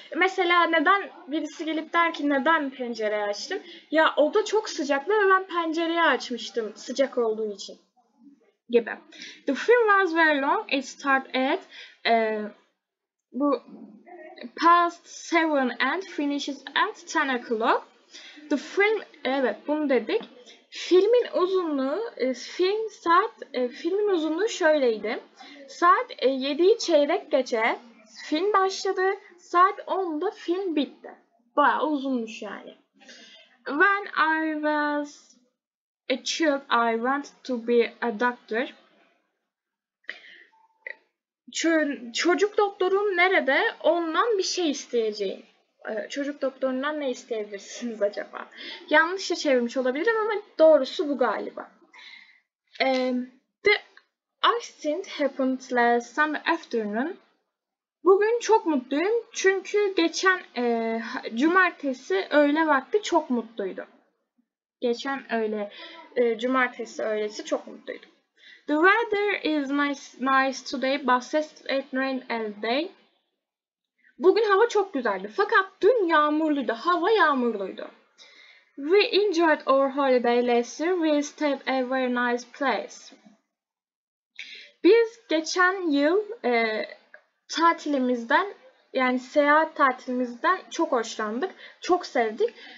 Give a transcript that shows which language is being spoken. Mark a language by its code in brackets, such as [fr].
[tr] Mesela neden, birisi gelip der ki neden pencereyi açtım? Ya oda çok sıcaktı ve ben pencereyi açmıştım sıcak olduğu için. Gibi. [en] The film was very long. It started at bu past 7 and finishes at 10 o'clock. The film, [tr] evet bunu dedik. Filmin uzunluğu, film saat, filmin uzunluğu şöyleydi. Saat 7'yi çeyrek geçe film başladı. Saat 10'da film bitti. Bayağı uzunmuş yani. [en] When I was a child, I wanted to be a doctor. [tr] Çocuk doktorum nerede? Ondan bir şey isteyeceğim. Çocuk doktorundan ne isteyebilirsiniz acaba? Yanlışça çevirmiş olabilirim ama doğrusu bu galiba. [en] The accident happened last Sunday afternoon. [tr] Bugün çok mutluyum çünkü geçen cumartesi öğle vakti çok mutluydum. Geçen öğle, cumartesi öğlesi çok mutluydum. [en] The weather is nice today, but it rained all day. [tr] Bugün hava çok güzeldi fakat dün yağmurluydu, hava yağmurluydu. [en] We enjoyed our holiday last year, we stayed a very nice place. [tr] Biz geçen yıl tatilimizden, yani seyahat tatilimizden çok hoşlandık, çok sevdik.